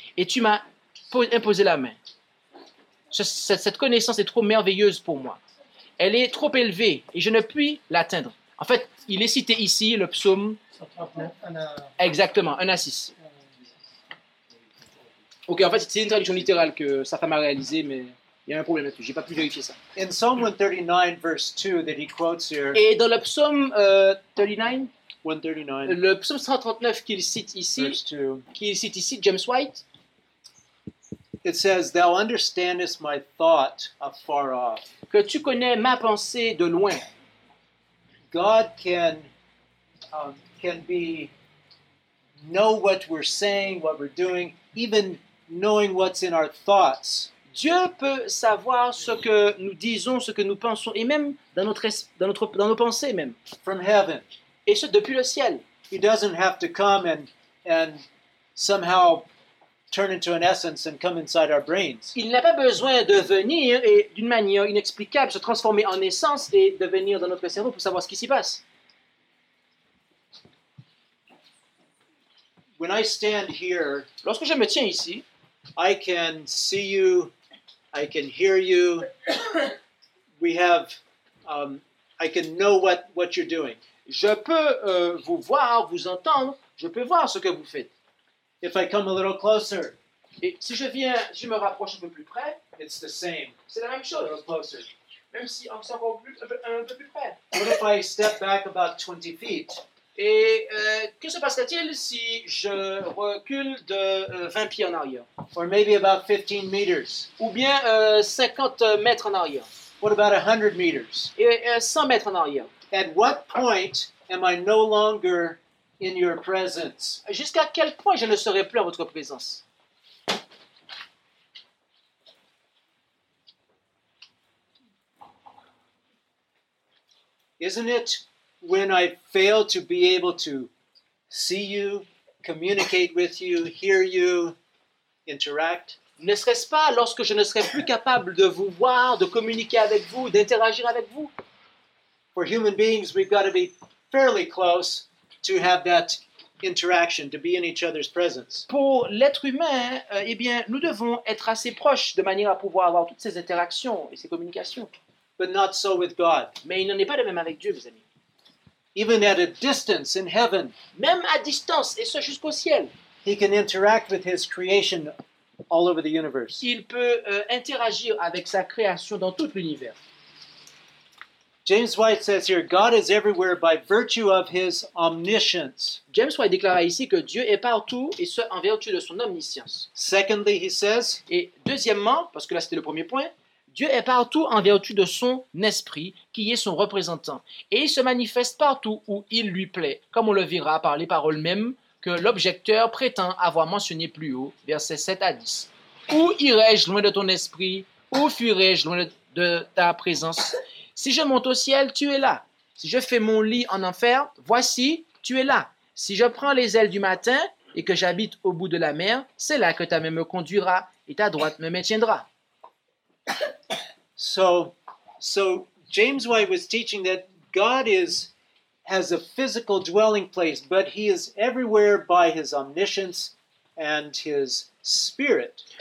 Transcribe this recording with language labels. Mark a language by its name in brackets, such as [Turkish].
[French] Et tu m'as imposé la main. Cette connaissance est trop merveilleuse pour moi. Elle est trop élevée et je ne puis l'atteindre. En fait, il est cité ici le psaume. Exactement, 1 à 6. OK, en fait, c'est une traduction littérale que sa femme a réalisée, mais... Il y a un problème là-dessus, j'ai pas pu vérifier ça. [English] In Psalm 139, verse 2, that he quotes here. [French] Et dans le psaume 139. Le psaume 139 qu'il cite ici. [English] Verse 2. [French] Qu'il cite ici, James White. [English] It says, "Thou understandest my thought afar off." [French] Que tu connais ma pensée de loin. [English] God can be know what we're saying, what we're doing, even knowing what's in our thoughts. [French] Dieu peut savoir ce que nous disons, ce que nous pensons, et même dans nos pensées même. [English] From heaven. [French] Et ce, depuis le ciel. [English] He doesn't have to come and somehow turn into an essence and come inside our brains. [French] Il n'a pas besoin de venir et d'une manière inexplicable se transformer en essence et devenir dans notre cerveau pour savoir ce qui s'y passe. [English] When I stand here, [French] lorsque je me tiens ici, [English] I can see you, I can hear you, we have, I can know what you're doing. [French] Je peux vous voir, vous entendre, je peux voir ce que vous faites. [English] If I come a little closer, [French] et si je viens, si je me rapproche un peu plus près, [English] it's the same. [French] C'est la même chose. [English] A little closer. [French] Même si on s'en va un peu plus près. [English] What if I step back about 20 feet? [French] Et que se passerait-il si je recule de 20 pieds en arrière? [English] Or maybe about 15 meters. [French] Ou bien 50 mètres en arrière. [English] What about 100 meters? [French] Et 100 mètres en arrière. [English] At what point am I no longer in your presence? [French] Jusqu'à quel point je ne serai plus en votre présence? [English] Isn't it when I fail to be able to see you, communicate with you, hear you, interact? [French] Ne serait-ce pas lorsque je ne serai plus capable de vous voir, de communiquer avec vous, d'interagir avec vous? [English] For human beings, we've got to be fairly close to have that interaction, to be in each other's presence. [French] Pour l'être humain, eh bien, nous devons être assez proches de manière à pouvoir avoir toutes ces interactions et ces communications. [English] But not so with God. [French] Mais il n'en est pas de même avec Dieu, mes amis. [English] Even at a distance in heaven, [French] même à distance, et ce jusqu'au ciel, [English] he can interact with his creation all over the universe. [French] Il peut interagir avec sa création dans tout l'univers. [English] James White says here, God is everywhere by virtue of his omniscience. [French] James White déclare ici que Dieu est partout et ce en vertu de son omniscience. [English] Secondly, he says, [French] et deuxièmement, parce que là c'était le premier point, Dieu est partout en vertu de son esprit, qui est son représentant. Et il se manifeste partout où il lui plaît, comme on le verra par les paroles mêmes que l'objecteur prétend avoir mentionnées plus haut, versets 7 à 10. Où irais-je loin de ton esprit? Où fuirais-je loin de ta présence? Si je monte au ciel, tu es là. Si je fais mon lit en enfer, voici, tu es là. Si je prends les ailes du matin et que j'habite au bout de la mer, c'est là que ta main me conduira et ta droite me maintiendra. [English] So James White was teaching that God has a physical dwelling place, but he is everywhere by his omniscience and his spirit.